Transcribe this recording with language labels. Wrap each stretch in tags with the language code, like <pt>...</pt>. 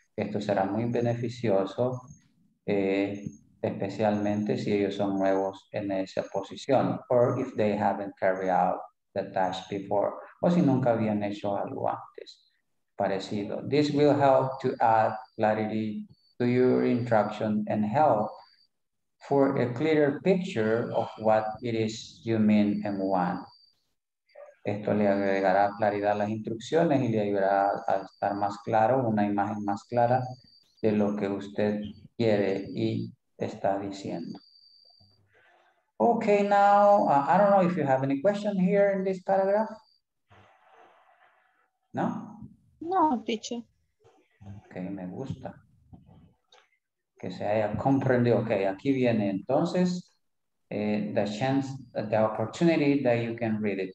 <es>Esto será muy beneficioso. Especialmente si ellos son nuevos en esa posición,</es> <en>or if they haven't carried out the task before,</en> <es>o si nunca habían hecho algo antes parecido.</es> <en>This will help to add clarity to your instruction and help for a clearer picture of what it is you mean and want.</en> <es>Esto le agregará claridad a las instrucciones y le ayudará a estar más claro, una imagen más clara de lo que usted quiere y está diciendo.</es> <en>Okay, now, I don't know if you have any question here in this paragraph. No? No, teacher.</en> <es>Okay, me gusta. Que se haya comprendido.</es> <en>Okay,</en> <es>aquí viene entonces</es> <en>the chance, the opportunity that you can read it.</en>